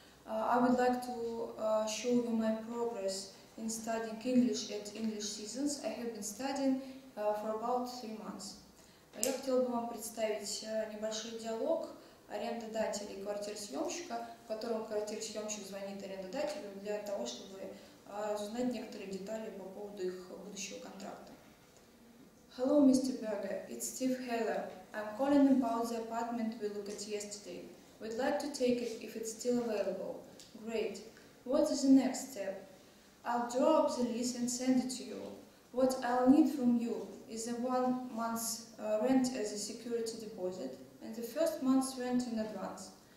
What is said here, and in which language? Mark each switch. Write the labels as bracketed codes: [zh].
[en] I would like to show you my progress in studying English at English Seasons. I have been studying for about 3 months. [ru] Я хотела бы вам представить небольшой диалог арендодателя и квартиросъемщика, в котором квартиросъемщик звонит арендодателю для того, чтобы узнать некоторые детали по поводу их будущего контракта. [en] Hello, Mr. Berger. It's Steve Heller. I'm calling about the apartment we looked at yesterday. We'd like to take it if it's still available. Great. What is the next step? I'll draw up the lease and send it to you. What I'll need from you is a 1 month rent as a security deposit and the first month's rent in advance.